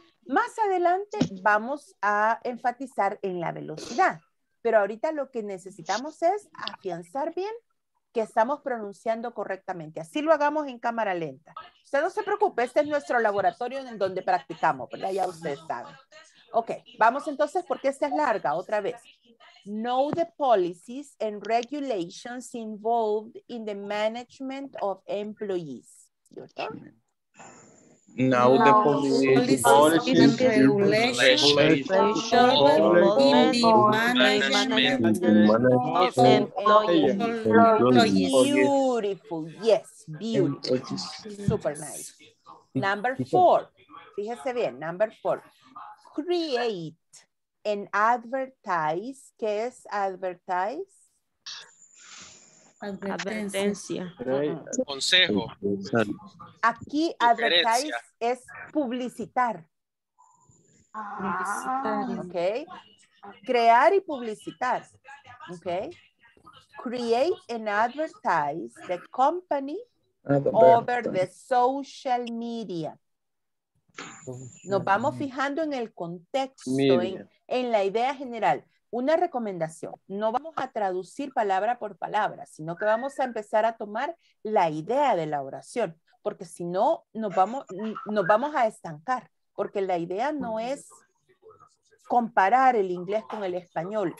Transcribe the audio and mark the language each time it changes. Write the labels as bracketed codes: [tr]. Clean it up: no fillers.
[es] Más adelante vamos a enfatizar en la velocidad. Pero ahorita lo que necesitamos es afianzar bien que estamos pronunciando correctamente. Así lo hagamos en cámara lenta. Usted no se preocupe, este es nuestro laboratorio en donde practicamos, ¿verdad? Ya usted sabe. Ok, vamos entonces porque esta es larga, otra vez. [en] Know the policies and regulations involved in the management of employees. [es] ¿Yo está? [en] Now the policies and regulations. Beautiful, yes, beautiful. Super nice. Number four, [es] fíjese bien, [en] number four. Create and advertise. [es] ¿Qué es advertise? Advertencia. Consejo. Aquí advertise es publicitar. Ah, ok. Crear y publicitar. Ok. [en] Create and advertise the company over the social media. [es] Nos vamos fijando en el contexto, en la idea general. Una recomendación, no vamos a traducir palabra por palabra, sino que vamos a empezar a tomar la idea de la oración, porque si no, nos vamos a estancar, porque la idea no es comparar el inglés con el español.